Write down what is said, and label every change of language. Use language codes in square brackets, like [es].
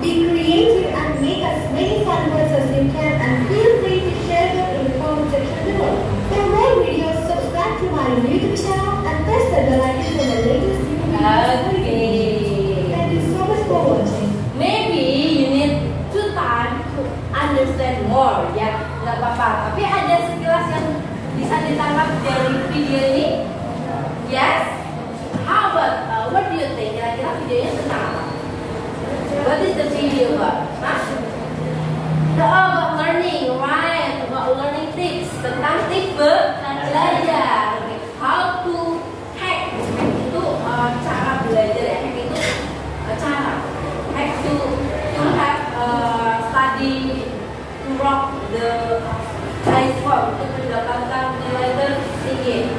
[en] Be creative and make as many fun words as you can and feel free to share them in the comment section below. For more videos, subscribe to my YouTube channel and press the bell icon for the latest new videos. Thank you so much for watching. Maybe you need 2 time to understand more, ya. [id] Gak apa-apa. Tapi ada sekilas yang bisa ditangkap dari video ini. [en] Yes? How about, what do you think? [id] Kira-kira videonya tentang apa? [en] What is the video about? Huh? About learning, right? About learning tips. [id] Tentang tips belajar. [en] Okay. How to hack. [id] Hack itu cara belajar ya. Hack itu cara. [en] Hack to have study to rock the high score. [id] Untuk mendapatkan nilai tertinggi.